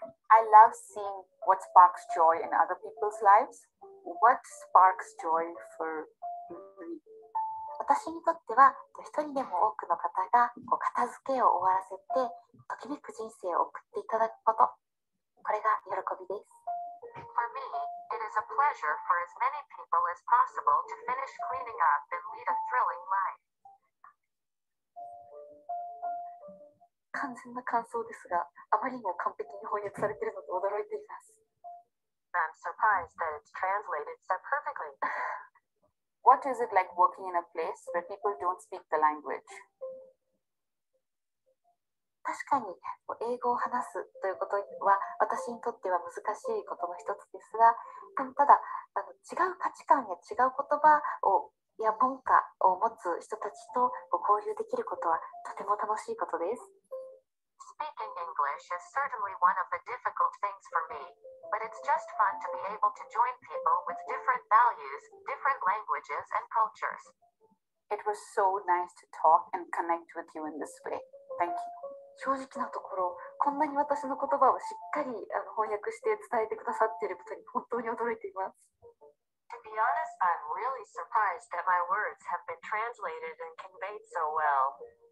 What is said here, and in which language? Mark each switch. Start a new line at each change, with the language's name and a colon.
English: I love seeing what sparks joy in other people's lives. What sparks joy for me?
Japanese: 私にとっては、一人でも多くの方が片付けを終わらせて、ときめく人生を送っていただくこと、これが喜びです。
English: For me, it is a pleasure for as many people as possible to finish cleaning up and lead a thrilling life.
Japanese: 完全な感想ですが、あまりにも完璧に翻訳されているのと驚いています。
English: I'm surprised that it's translated so perfectly. What is it like working in a place where people don't speak the language?
Japanese: 確かに英語を話すということは私にとっては難しいことの一つですが、でもただ違う価値観や違う言葉をや文化を持つ人たちと交流できることはとても楽しいことです。
English: Speaking English is certainly one of the difficult things for me, but it's just fun to be able to join people with different values, different languages and cultures. It was so nice to talk and connect with you in this way. Thank you.
Japanese: 正直なところ、こんなに私の言葉をしっかり翻訳して伝えてくださっていることに本当に驚いています。
English: To be honest, I'm really surprised that my words have been translated and conveyed so well.